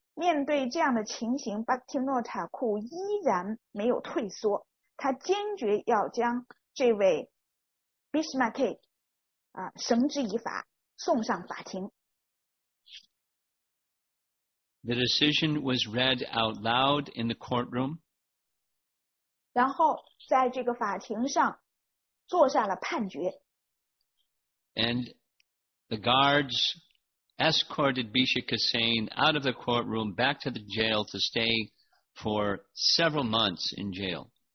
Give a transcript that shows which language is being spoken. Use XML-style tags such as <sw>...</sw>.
<zh>面对这样的情形， Bhaktivinoda Thakur 依然没有退缩，他坚决要将这位 Bismarck绳之以法，送上法庭。</zh> <en>The decision was read out loud in the courtroom.</en> <zh>然后在这个法庭上做下了判决。</zh> <en>And the guards escorted Bhishika Sen out of the courtroom back to the jail to stay for several months in jail.</en>